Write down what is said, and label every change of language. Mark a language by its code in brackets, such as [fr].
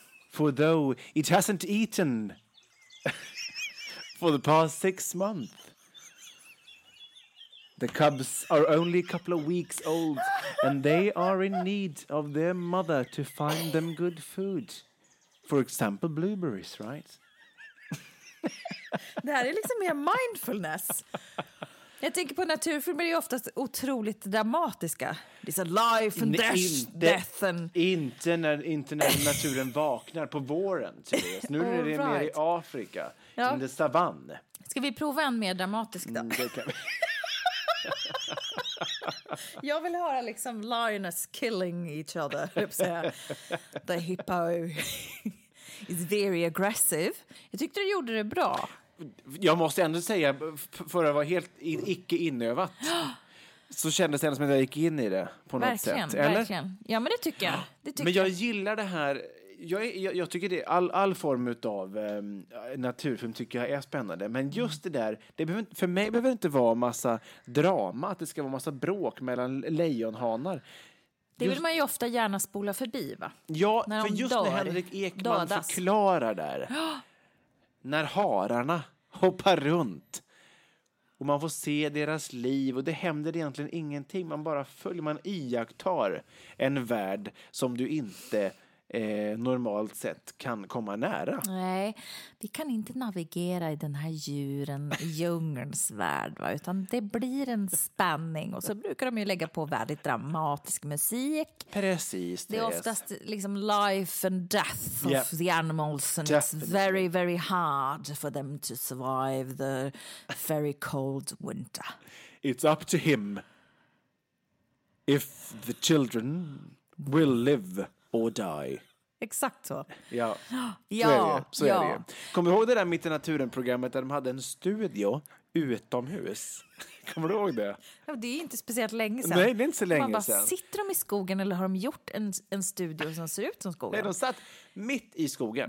[en] For though it hasn't eaten for the past 6 months, the cubs are only a couple of weeks old, and they are in need of their mother to find them good food. For example, blueberries, right? [sv] Det här är liksom mer mindfulness. Jag tänker på naturfilmer, det är oftast otroligt dramatiska. Det är så [en] life and death. [sv] Inte när naturen vaknar på våren. Nu är det mer i Afrika. Ja. Som det är savann. Ska vi prova en mer dramatisk då? Det kan vi. Jag vill höra liksom [en] lioness killing each other. The hippo is very aggressive. [sv] Jag tyckte du gjorde det bra. Jag måste ändå säga, för att vara helt icke-inövat, så kändes det ändå som att jag gick in i det på något verkligen, sätt. Eller? Verkligen. Ja, men det tycker jag. Det tycker men jag gillar det här. Jag tycker det, all form av naturfilm tycker jag är spännande. Men just det där, för mig behöver det inte vara massa drama, att det ska vara massa bråk mellan lejonhanar. Det vill man ju ofta gärna spola förbi, va? Ja, när för just dör, när Henrik Ekman dödas. Förklarar där. När hararna hoppar runt och man får se deras liv och det händer egentligen ingenting. Man bara följer, man iakttar en värld som du inte normalt sett kan komma nära. Nej, vi kan inte navigera i den här djuren, djungelns värld, va? Utan det blir en spänning. Och så brukar de ju lägga på väldigt dramatisk musik. Precis. Det är oftast liksom [en] life and death of yep. the animals. And definitely. It's very, very hard for them to survive the very cold winter. It's up to him if the children will live or die. [sv] Exakt så. Ja, ja, så är det. Kommer du ihåg det där Mitt i naturen-programmet där de hade en studio utomhus? Kommer du ihåg det? Ja, det är inte speciellt länge sedan. Nej, det är inte så länge man bara, sedan. Sitter de i skogen eller har de gjort en studio som ser ut som skogen? Nej, de satt mitt i skogen.